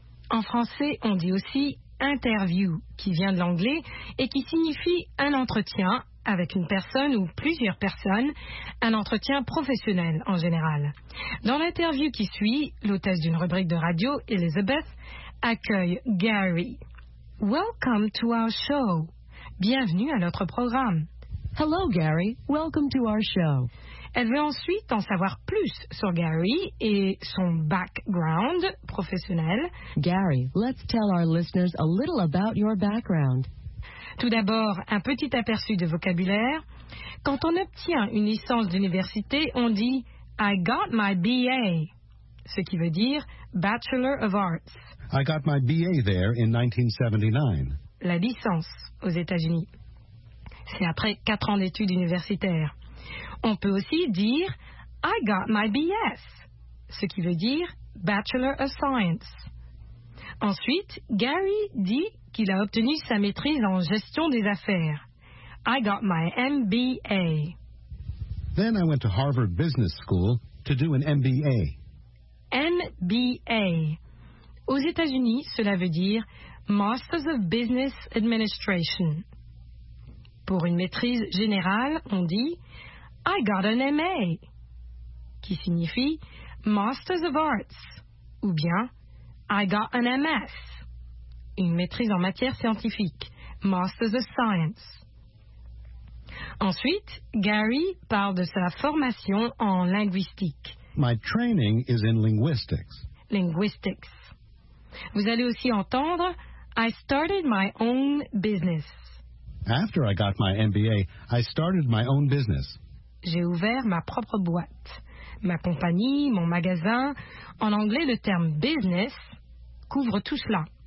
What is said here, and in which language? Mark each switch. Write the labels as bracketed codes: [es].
[fr] En français, on dit aussi interview, qui vient de l'anglais et qui signifie un entretien avec une personne ou plusieurs personnes, un entretien professionnel en général. Dans l'interview qui suit, l'hôtesse d'une rubrique de radio, Elizabeth, accueille Gary. [en] Welcome to our show. [fr] Bienvenue à notre programme. [en] Hello Gary, welcome to our show. [fr] Elle veut ensuite en savoir plus sur Gary et son background professionnel. [en] Gary, let's tell our listeners a little about your background. [fr] Tout d'abord, un petit aperçu de vocabulaire. Quand on obtient une licence d'université, on dit [en] I got my BA, [fr] ce qui veut dire [en] Bachelor of Arts. I got my BA there in 1979. [fr] La licence aux États-Unis. C'est après 4 ans d'études universitaires. On peut aussi dire « [en] I got my BS [fr] », ce qui veut dire « [en] Bachelor of Science ». [fr] Ensuite, Gary dit qu'il a obtenu sa maîtrise en gestion des affaires. [en] « I got my MBA ». Then I went to Harvard Business School to do an MBA. MBA. [fr] Aux États-Unis, cela veut dire « [en] Masters of Business Administration ». [fr] Pour une maîtrise générale, on dit « [en] I got an MA [fr] », qui signifie « [en] Masters of Arts [fr] » ou bien « [en] I got an MS [fr] », une maîtrise en matière scientifique, « [en] Masters of Science ». [fr] Ensuite, Gary parle de sa formation en linguistique. [en] « My training is in linguistics ». Linguistics. [fr] Vous allez aussi entendre « [en] I started my own business ». After I got my MBA, I started my own business. [fr] J'ai ouvert ma propre boîte, ma compagnie, mon magasin. En anglais, le terme business couvre tout cela.